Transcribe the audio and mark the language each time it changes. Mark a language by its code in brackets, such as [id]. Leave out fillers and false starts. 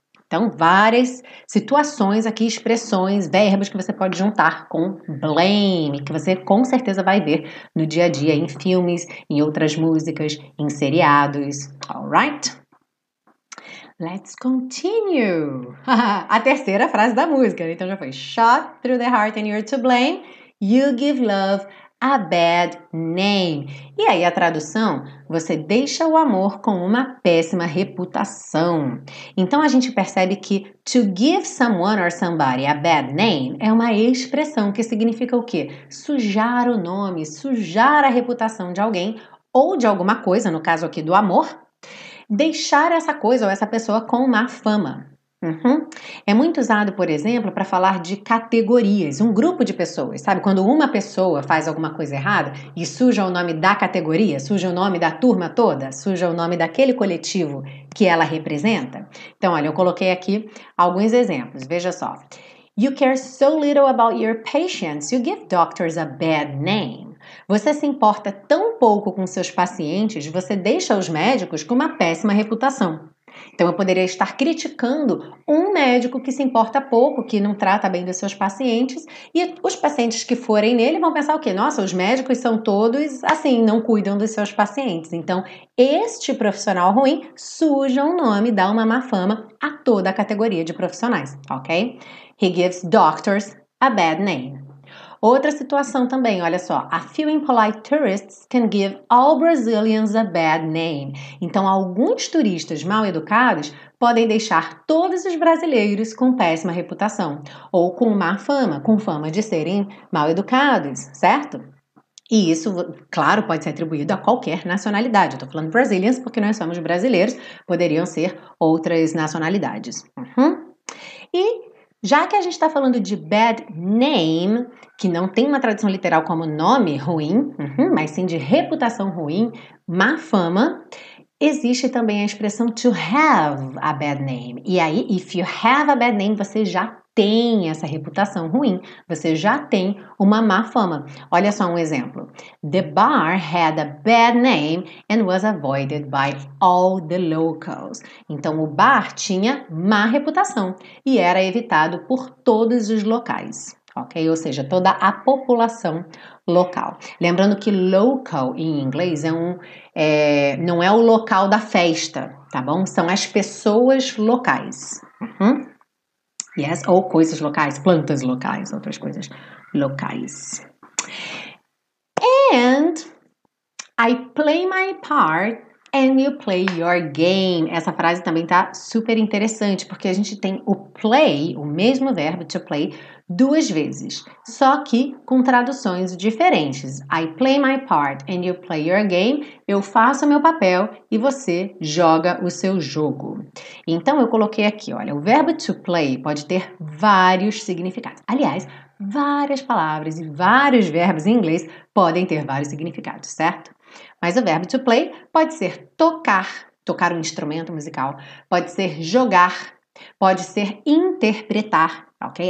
[pt] Então, várias situações aqui, expressões, verbos que você pode juntar com blame, que você com certeza vai ver no dia a dia, em filmes, em outras músicas, em seriados. Alright? [en] Let's continue. [pt] A terceira frase da música. Então, já foi. [en] Shot through the heart and you're to blame. You give love a bad name. [pt] E aí, a tradução? Você deixa o amor com uma péssima reputação. Então, a gente percebe que [en] to give someone or somebody a bad name [pt] é uma expressão que significa o quê? Sujar o nome, sujar a reputação de alguém ou de alguma coisa, no caso aqui do amor. Deixar essa coisa ou essa pessoa com má fama. É muito usado, por exemplo, para falar de categorias, um grupo de pessoas, sabe? Quando uma pessoa faz alguma coisa errada e suja o nome da categoria, suja o nome da turma toda, suja o nome daquele coletivo que ela representa. Então, olha, eu coloquei aqui alguns exemplos, veja só. [en] You care so little about your patients, you give doctors a bad name. [pt] Você se importa tão pouco com seus pacientes, você deixa os médicos com uma péssima reputação. Então, eu poderia estar criticando um médico que se importa pouco, que não trata bem dos seus pacientes, e os pacientes que forem nele vão pensar o quê? Nossa, os médicos são todos assim, não cuidam dos seus pacientes. Então, este profissional ruim suja um nome, dá uma má fama a toda a categoria de profissionais, ok? [en] He gives doctors a bad name. [pt] Outra situação também, olha só. [en] A few impolite tourists can give all Brazilians a bad name. [pt] Então, alguns turistas mal educados podem deixar todos os brasileiros com péssima reputação. Ou com má fama, com fama de serem mal educados, certo? E isso, claro, pode ser atribuído a qualquer nacionalidade. Eu tô falando Brazilians porque nós somos brasileiros. Poderiam ser outras nacionalidades. E já que a gente está falando de bad name, que não tem uma tradução literal como nome ruim, mas sim de reputação ruim, má fama, existe também a expressão [en] to have a bad name. [pt] E aí, [en] if you have a bad name, [pt] você já tem essa reputação ruim, você já tem uma má fama. Olha só um exemplo. The bar had a bad name and was avoided by all the locals. Então, o bar tinha má reputação e era evitado por todos os locais, ok? Ou seja, toda a população local. Lembrando que local, em inglês, não é o local da festa, tá bom? São as pessoas locais, Yes, ou coisas locais, plantas locais, outras coisas locais. [en] And I play my part and you play your game. [pt] Essa frase também tá super interessante, porque a gente tem o play, o mesmo verbo to play, duas vezes, só que com traduções diferentes. [en] I play my part and you play your game. [pt] Eu faço meu papel e você joga o seu jogo. Então, eu coloquei aqui, olha, o verbo to play pode ter vários significados. Aliás, várias palavras e vários verbos em inglês podem ter vários significados, certo? Mas o verbo to play pode ser tocar um instrumento musical, pode ser jogar, pode ser interpretar, ok?